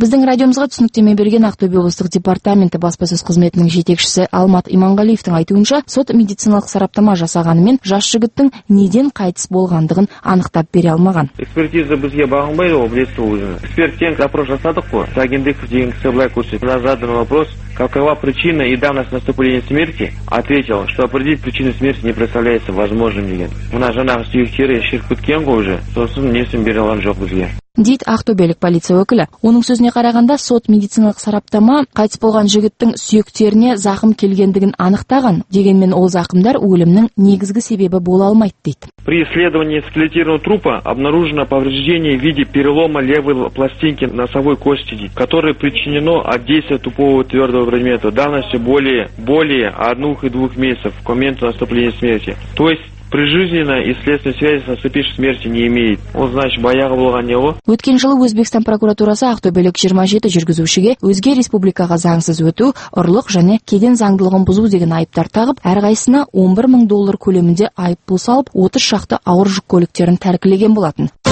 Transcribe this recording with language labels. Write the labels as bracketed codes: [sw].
[kk] Біздің радиомызға түсініктеме берген Ақтөбе облыстық департаменті баспасөз қызметінің жетекшісі Алмат Иманғалиевтің айтуынша, сот медициналық сараптама жасағанымен жас жігіттің неден қайтыс болғандығын анықтап бере алмаған. Экспертиза бізге бағынбайды, ол білесіз өзіңіз. Эксперттен запрос жасадық қой, Сагендеков деген кісі былай көрсетті. [ru] Задан вопрос: какова причина и давность наступления смерти? Ответил, что определить причину смерти не представляется возможным деген. У нас жена [kk] сүйектері ішіріп кеткен ғой уже, сосын несін бере алған жоқ бізге. Дейді Ақтөбелік полиция өкілі. Оның сөзіне қарағанда сот медициналық сараптама қайтыс болған жігіттің сүйектеріне зақым келгендігін анықтаған, дегенмен ол зақымдар өлімнің негізгі себебі бола алмайды дейді. [ru] При исследовании скелетированного трупа обнаружено повреждение в виде перелома левой пластинки носовой кости, которое причинено от действия тупого твердого предмета давностью более 1-2 месяцев к моменту наступления смерти. То есть прижизненно и следственной связи с наступившей смертью не имеет. Он, значит, [kk] баяғы болған не ол? Өткен жылы Өзбекстан прокуратурасы Ақтөбелік 27 жүргізушіге өзге республикаға заңсыз өту, ұрлық және кеден заңдылығын бұзу деген айыптар тағып, әрқайсына 11 000 доллар көлемінде айыппұл салып, 30 шақты ауыр жүк көліктерін тәркілеген болатын.